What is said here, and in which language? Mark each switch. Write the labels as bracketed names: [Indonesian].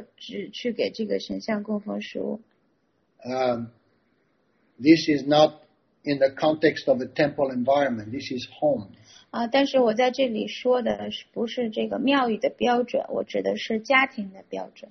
[Chinese] 如果说一个奉献者已经启迪了，那最好只去给这个神像供奉食物。 [English] This is not in the context of a temple environment. This is home. [Chinese] 但是我在这里说的不是这个庙宇的标准，我指的是家庭的标准。